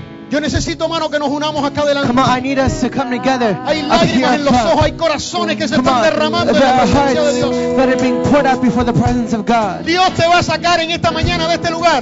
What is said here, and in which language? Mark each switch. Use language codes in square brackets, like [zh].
[es] yo necesito hermano que nos unamos acá adelante [en] come on, I need us to come together [es] hay lágrimas en los ojos hay corazones que se están derramando en la presencia de Dios [en] that are being poured out before the presence of God [es] Dios te va a sacar en esta mañana de este lugar